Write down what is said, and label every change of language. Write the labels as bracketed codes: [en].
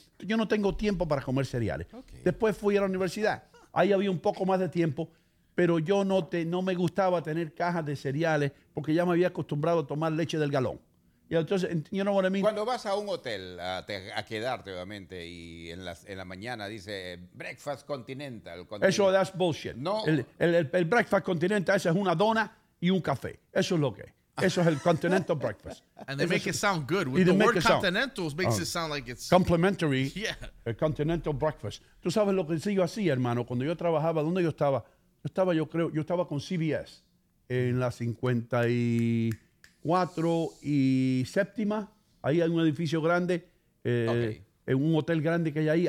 [es] Yo no tengo tiempo para comer cereales. Okay. Después fui a la universidad, ahí había un poco más de tiempo, pero yo no me gustaba tener cajas de cereales porque ya me había acostumbrado a tomar leche del galón. Y entonces, yo no voy a... Cuando vas a un hotel a quedarte, obviamente, y en la mañana dice Breakfast Continental. [en] Eso, that's bullshit. [es] No. El Breakfast Continental, esa es una dona y un café. Eso es lo que es. Eso es el Continental Breakfast. [en] And they make it sound good. With the word Continental makes it sound like it's... Complimentary. Yeah. [es] El Continental Breakfast. Tú sabes lo que sí yo hacía, hermano, cuando yo trabajaba, ¿dónde yo estaba? Yo estaba con CBS en la 54 y séptima. Ahí hay un edificio grande, en un hotel grande que hay ahí.